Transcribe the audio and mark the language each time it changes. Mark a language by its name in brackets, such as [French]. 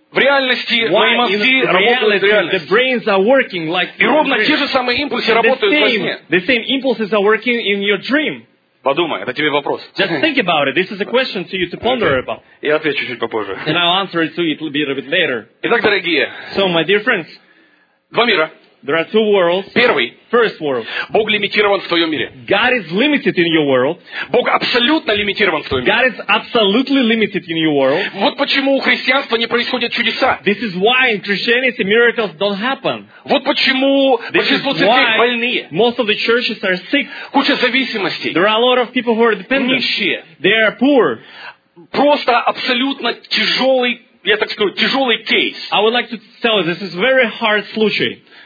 [Russian] В реальности мои мозги работают в реальности. И ровно те же самые импульсы работают во сне. [English] The same impulses are working in your dream. [Russian] Подумай, это тебе вопрос. [English] Just think about it. This is a question to you to ponder about. [Russian] Я отвечу чуть попозже. [English] And I'll answer it to you a little bit later. [Russian] Итак, дорогие. [English] So, my dear friends. [Russian] Два мира. [English] There are two worlds. [Russian] Первый. [English] First world. [Russian] Бог лимитирован в своем мире. [English] God is limited in your world. [Russian] Бог абсолютно лимитирован в своем мире. [English] God is absolutely limited in your world. [Russian] Вот почему у христианства не происходят чудеса. [English] This is why in Christianity miracles don't happen. [Russian] Вот почему большинство церквей больные. [English] Most of the churches are sick. [Russian] Куча зависимостей. [English] There are a lot of people who are dependent. [Russian] Нищие. [English] They are poor. [Russian] Просто абсолютно тяжелый, я так скажу, тяжелый кейс. [English] I would like to tell you, this is very hard [Russian] случай.